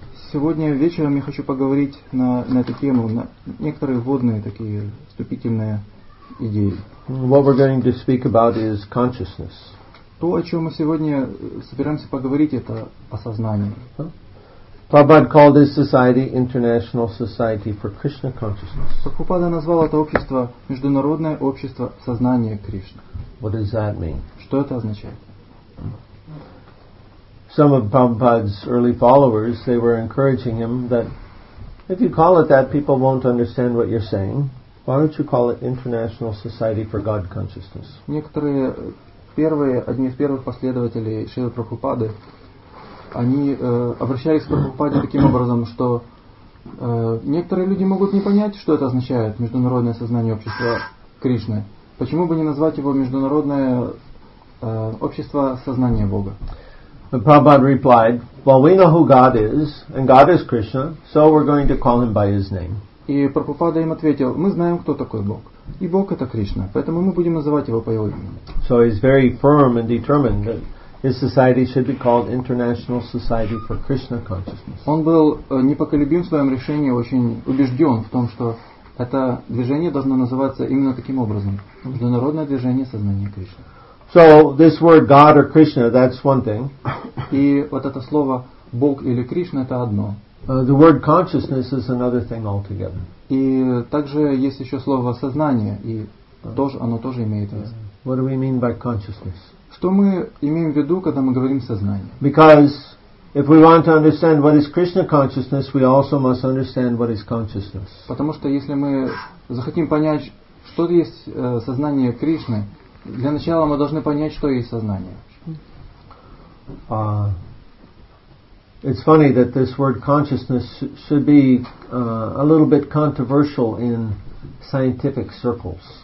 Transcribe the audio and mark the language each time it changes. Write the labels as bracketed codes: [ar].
[ru] Сегодня вечером я хочу поговорить на эту тему, на некоторые вводные такие вступительные идеи. [en] What we're going to speak about is consciousness. [ru] То, о чем мы сегодня собираемся поговорить, это о сознании. [en] Prabhupada called this society International Society for Krishna Consciousness. [ru] Прабхупада назвал это общество Международное общество сознания Кришны. [en] What does that mean? [ru] Что это означает? [en] Some of Prabhupada's early followers, they were encouraging him that if you call it that, people won't understand what you're saying. Why don't you call it International Society for God Consciousness? [ru] Некоторые первые, одни из первых последователей Шрилы Прабхупады, они обращались к Прабхупаде таким образом, что некоторые люди могут не понять, что это означает международное сознание общества Кришны. Почему бы не назвать его Международное общество сознания Бога? [en] The Prabhupada replied, "Well, we know who God is, and God is Krishna, so we're going to call him by his name." [ru] И Прабхупада им ответил, "Мы знаем, кто такой Бог, и Бог это Кришна, поэтому мы будем называть его по его имени." [en] So he's very firm and determined that his society should be called International Society for Krishna Consciousness. [ru] Он был непоколебим в своем решении, очень убежден в том, что это движение должно называться именно таким образом, Международное движение сознания Кришны. [en] So this word God or Krishna, that's one thing. [ru] И вот это слово Бог или Кришна это одно. [en] The word consciousness is another thing altogether. [ru] И также есть еще слово сознание, и тоже оно тоже имеет вес. [en] What do we mean by consciousness? [ru] Что мы имеем в виду, когда мы говорим сознание? [en] Because if we want to understand what is Krishna consciousness, we also must understand what is consciousness. [ru] Потому что если мы захотим понять, что есть сознание Кришны, для начала мы должны понять, что есть сознание. [en] It's funny that this word consciousness should be a little bit controversial in scientific circles.